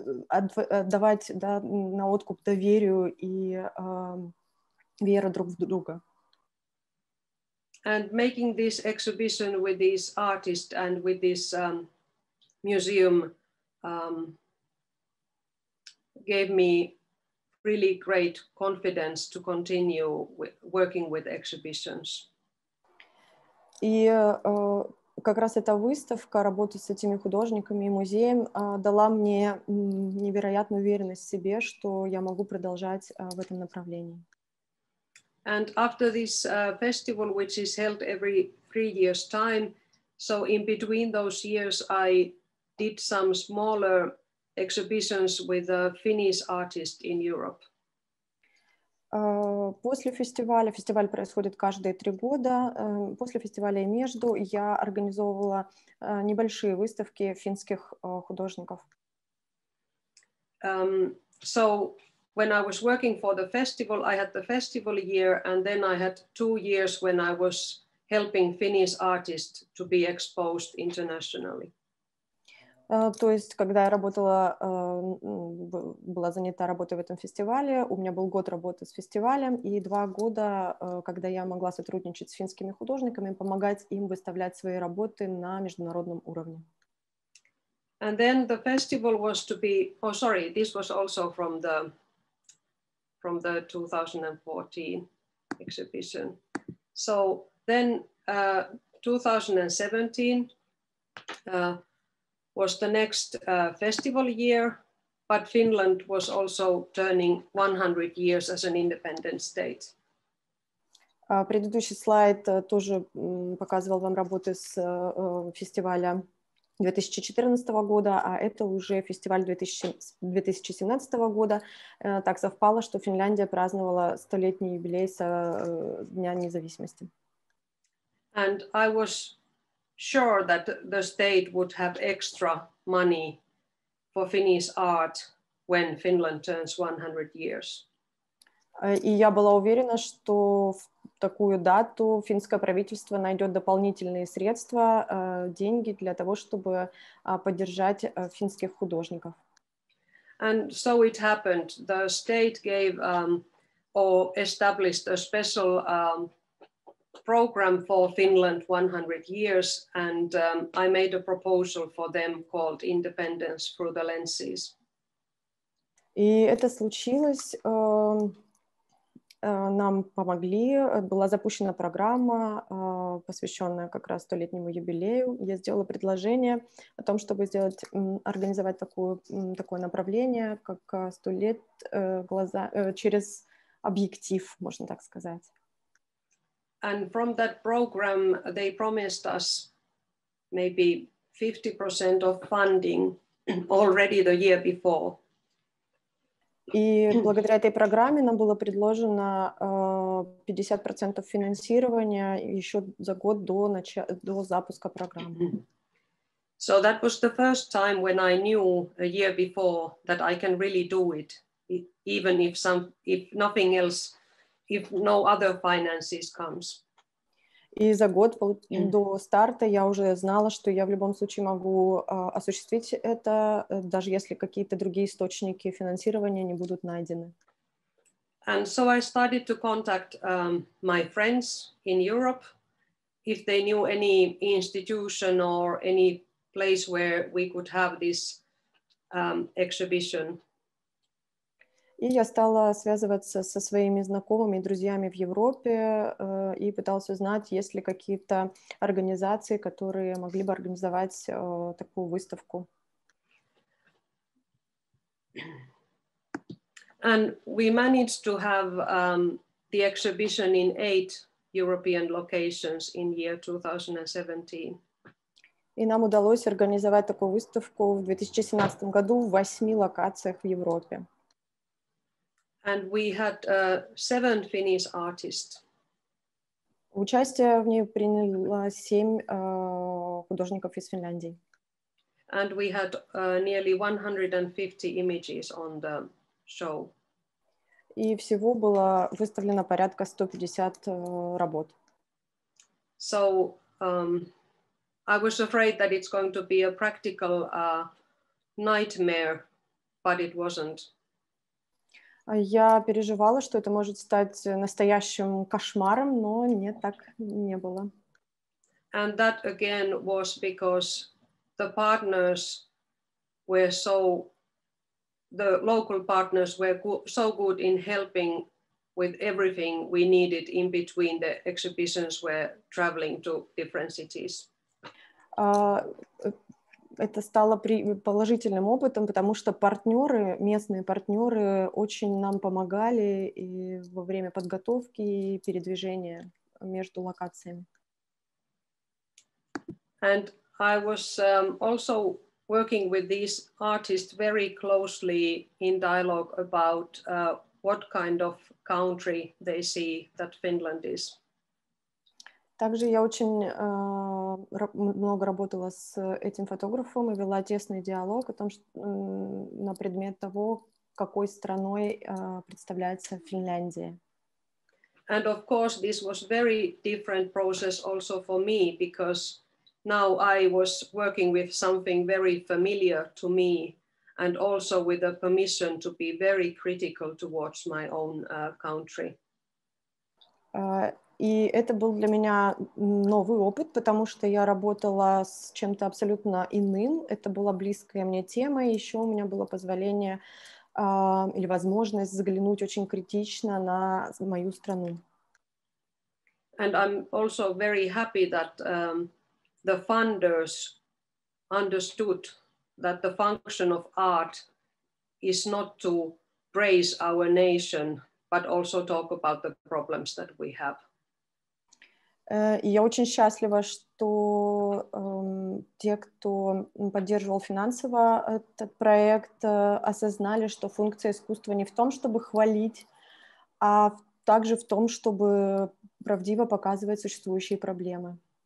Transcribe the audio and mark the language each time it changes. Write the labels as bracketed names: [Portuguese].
[Russian] отдавать, да, на откуп доверию и веру друг в друга. [English] And making this exhibition with this artist and with this museum gave me really great confidence to continue working with exhibitions. [Russian] И как раз эта выставка, работа с этими художниками и музеем дала мне невероятную уверенность в себе, что я могу продолжать в этом направлении. [English] And after this festival, which is held every 3 years time, so in between those years I did some smaller exhibitions with a Finnish artist in Europe. [Russian] После фестиваля, фестиваль происходит каждые 3 года, после фестиваля и между я организовывала небольшие выставки финских художников. [English] So when I was working for the festival, I had the festival year, and then I had 2 years when I was helping Finnish artists to be exposed internationally. [Russian] То есть, когда я работала, была занята работой в этом фестивале, у меня был год работы с фестивалем и 2 года, когда я могла сотрудничать с финскими художниками, помогать им выставлять свои работы на международном уровне. [English] And then the festival was to be, oh sorry, this was also from the 2014 exhibition. So then 2017 was the next festival year, but Finland was also turning 100 years as an independent state. [Russian] Предыдущий слайд тоже показывал вам работы с фестиваля 2014 года, а это уже фестиваль 2017 года. Так совпало, что Финляндия праздновала столетний юбилей со дня независимости. [English] And I was sure that the state would have extra money for Finnish art when Finland turns 100 years. [Russian] И я была уверена, что в такую дату финское правительство найдет дополнительные средства, деньги для того, чтобы поддержать финских художников. [English] And so it happened. The state gave or established a special program for Finland 100 years, and I made a proposal for them called Independence Through the Lenses. [Russian] И это случилось, нам помогли, была запущена программа, посвященная как раз 100-летнему юбилею. Я сделала предложение о том, чтобы сделать, организовать такое направление, как 100 лет через объектив, можно так сказать. [English] And from that program they promised us maybe 50% of funding already the year before. [Russian] И благодаря этой программе нам было предложено 50% финансирования еще за год до запуска программы. [English] So that was the first time when I knew a year before that I can really do it, even if nothing else, if no other finances comes. [Russian] И за год до старта я уже знала, что я в любом случае могу осуществить это, даже если какие-то другие источники финансирования не будут найдены. [English] And so I started to contact my friends in Europe, if they knew any institution or any place where we could have this exhibition. [Russian] И я стала связываться со своими знакомыми и друзьями в Европе и пыталась узнать, есть ли какие-то организации, которые могли бы организовать такую выставку. [English] And we managed to have the exhibition in 8 European locations in year 2017. [Russian] И нам удалось организовать такую выставку в 2017 году в 8 локациях в Европе. [English] And we had 7 Finnish artists. [Russian] Участие в ней приняло 7 художников из Финляндии. [English] And we had nearly 150 images on the show. [Russian] И всего было выставлено порядка 150 работ. [English] So I was afraid that it's going to be a practical nightmare, but it wasn't. [Russian] Я переживала, что это может стать настоящим кошмаром, но нет, так не было. [English] And that again was because the partners were so, the local partners were so good in helping with everything we needed in between the exhibitions were traveling to different cities. [Russian] Это стало положительным опытом, потому что партнеры, местные партнеры, очень нам помогали и во время подготовки и передвижения между локациями. [English] And I was also working with these artists very closely in dialogue about what kind of country they see that Finland is. [Russian] Также я очень много работала с этим фотографом и вела тесный диалог о том, что, на предмет того, какой страной представляется Финляндия. [English] And of course, this was very different process also for me, because now I was working with something very familiar to me, and also with a permission to be very critical towards my own country. [Russian] И это был для меня новый опыт, потому что я работала с чем-то абсолютно иным. Это была близкая мне тема, и еще у меня было позволение или возможность заглянуть очень критично на мою страну. [English] And I'm also very happy that the funders understood that the function of art is not to praise our nation, but also talk about the problems that we have. [Russian] Я очень счастлива, что те, кто поддерживал финансово этот проект, осознали, что функция искусства не в том, чтобы хвалить, а также в том, чтобы правдиво показывать существующие проблемы.